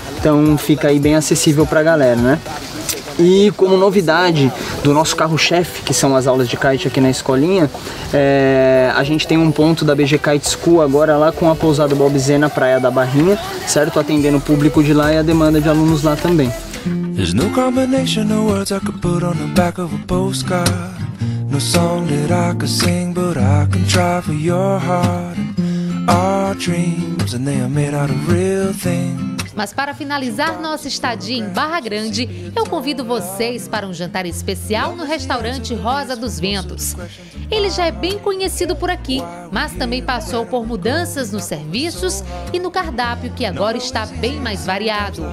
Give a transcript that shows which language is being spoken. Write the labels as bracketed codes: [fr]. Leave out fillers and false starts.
[pt] Então fica aí bem acessível pra galera, né? E como novidade do nosso carro-chefe, que são as aulas de kite aqui na escolinha, a gente tem um ponto da BG Kite School agora lá com a pousada Bob Z na Praia da Barrinha, certo? Atendendo o público de lá e a demanda de alunos lá também. [en] There's no combination of words I could put on the back of a postcard. No song that I could sing, but I can try for your heart. Our dreams, and they are made out of real things. [pt] Mas para finalizar nossa estadia em Barra Grande, eu convido vocês para um jantar especial no restaurante Rosa dos Ventos. Ele já é bem conhecido por aqui, mas também passou por mudanças nos serviços e no cardápio, que agora está bem mais variado.